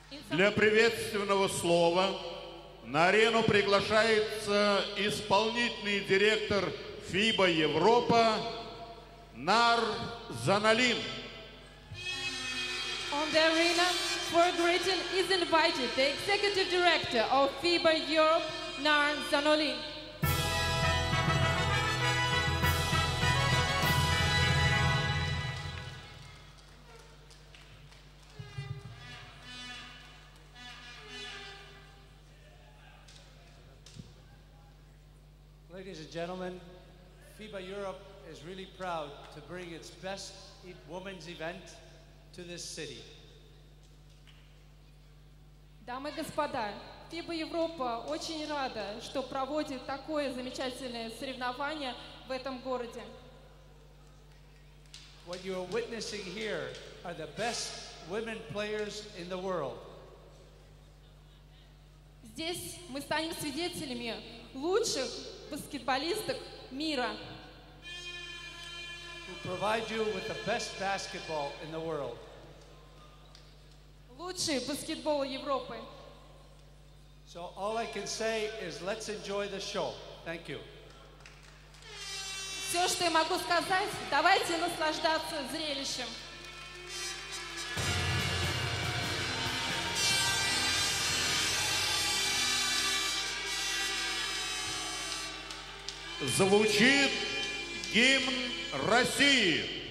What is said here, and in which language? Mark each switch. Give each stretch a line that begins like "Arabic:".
Russian: Для приветственного слова на арену приглашается исполнительный директор ФИБА Европа Нар Заналин.
English: On the arena for greeting is invited the executive director of FIBA Europe, Nar Zanolin. Ladies and gentlemen, FIBA Europe is really proud to bring its best women's event to this city.
Russian: Дамы и господа, FIBA Европа очень рада, что проводит такое замечательное соревнование в этом городе.
English: What you are witnessing here are the best women players in the world.
Russian: Здесь мы станем свидетелями лучших баскетболисток мира.
English: Who provide you with the best basketball in the world.
Russian: Лучший баскетбол Европы.
English: So all I can say is let's enjoy the show. Thank you.
Russian: Все, что я могу сказать, давайте наслаждаться зрелищем. Звучит гимн России.